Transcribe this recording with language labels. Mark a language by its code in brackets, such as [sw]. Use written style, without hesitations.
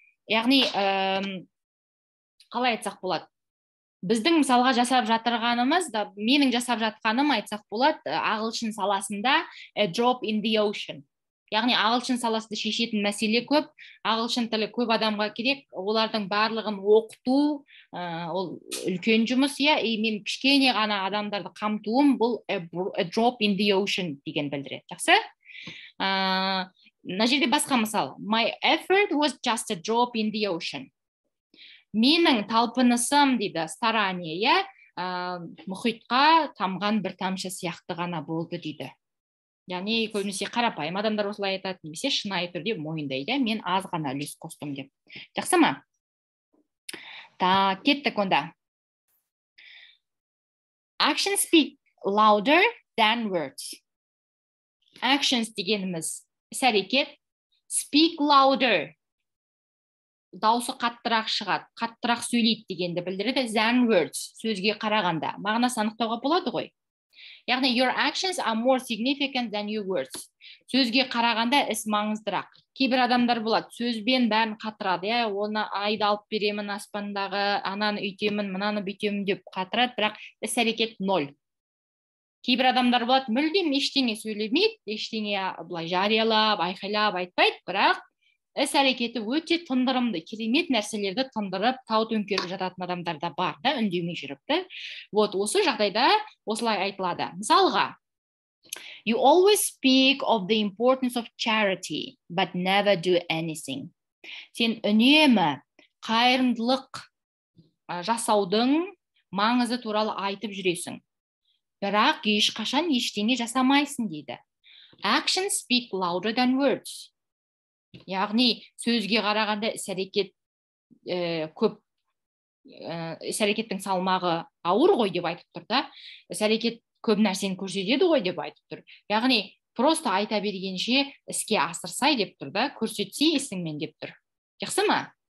[kk] Яғни, қалай айтсақ болады? Біздің мысалға жасап жатырғанымыз, да, менің жасап жатқаным айтсақ болады, ағылшын саласында [en] a drop in the ocean. [kk] Яғни ағылшын саласында шешетін мәселе көп, ағылшын тілі көп адамға керек, олардың барлығын оқыту, ол үлкен жұмыс, мен кішкене ғана адамдарды қамтуым бұл [en] a drop in the ocean [kk] деген білдіреді. Жақсы? Мына жерде басқа мысал. [en] My effort was just a drop in the ocean. [kk] менің талпынысым дейді старание, иә, мұхитқа тамған бір тамшы сияқты ғана болды дейді. Яғни көбінесе қарапайым адамдар осылай айтады, немесе шынайы түрде мойындайды, мен аз ғана үлес қостым деп. Жақсы ма? Так, кеттік онда. [en] Actions speak louder than words. [kk] Actions дегеніміз сәрекет. [en] Speak louder. [kk] Даусы қаттырақ шығады, қаттырақ сөйлейді дегенді білдіреді. [en] Than words, [kk] сөзге қарағанда. Мағына санықтауға болады ғой. Яғни, [en] your actions are more significant than your words. [kk] Сөзге қарағанда іс маңыздырақ. Кейбір адамдар болады, сөзбен бәрін қатырады. Я, оны айды алып беремін аспандағы, ананы үйтемін, мынаны бүйтемін деп қатырады, бірақ іс әрекет ноль. Кейбір адамдар болады, мүлдем ештеңе сөйлемейді, ештеңе былай жариялап, айқайлап айтпайды, бірақ іс әрекеті өте тындырымды, керемет нәрселерді тындырып, тау төңкеріп жататын адамдар да бар, да, үндемей жүріпті. Вот, осы жағдайда осылай айтылады. Мысалға, [en] you always speak of the importance of charity, but never do anything. [kk] Сен үнемі қайырымдылық жасаудың маңызы туралы айтып жүресің. Бірақ ешқашан ештеңе жасамайсың дейді. [en] Actions speak louder than words. [kk] Яғни, сөзге қарағанда іс-әрекет көп, іс-әрекеттің салмағы ауыр ғой деп айтып тұр да, іс-әрекет көп нәрсені көрсетеді ғой деп айтып тұр. Яғни, просто айта бергенше іске асырсай деп тұр да, көрсетсе есіңмен деп тұр. Жақсы ма?